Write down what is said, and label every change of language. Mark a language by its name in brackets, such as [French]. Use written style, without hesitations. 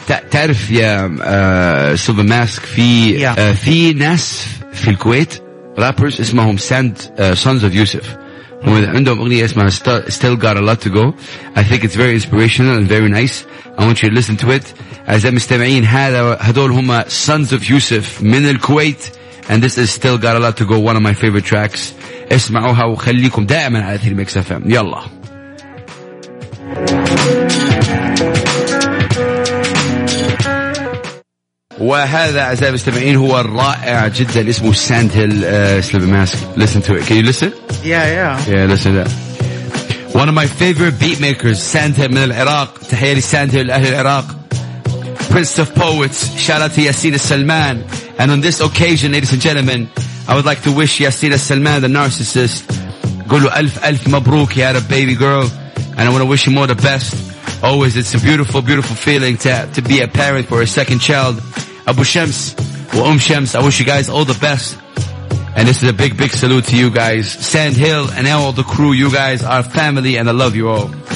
[Arabic] تعرف يا سيلفر ماسك في ناس في الكويت رابرز اسمهم ساند سونز اوف يوسف, عندهم اغنيه اسمها still got a lot to go. [English] I think it's very inspirational and very nice. I want you to listen to it. As I'm [Arabic] مستمعين, هذول هم سونز اوف يوسف من الكويت, [English] and this is still got a lot to go, one of my favorite tracks. [Arabic] اسمعوها وخليكم دائما على اثير ميكس اف ام. يلا وهذا أعزائي المستمعين هو الرائع جدا اسمه ساند هيل سليبي ماسك. [English] Listen to it. Can you listen? Yeah. Yeah, listen to that. One of my favorite beat makers, Sand Hill من العراق. [Arabic] تحية لساند هيل أهل العراق. [English] Prince of Poets. Shout out to ياسين السلمان. And on this occasion, ladies and gentlemen, I would like to wish ياسين السلمان the narcissist. [Arabic] قول له ألف ألف مبروك يا رب [English] baby girl. And I want to wish him all the best. Always, it's a beautiful, beautiful feeling to be a parent for a second child. Abu Shams, Shams, I wish you guys all the best. And this is a big, big salute to you guys. Sand Hill and all the crew, you guys are family and I love you all.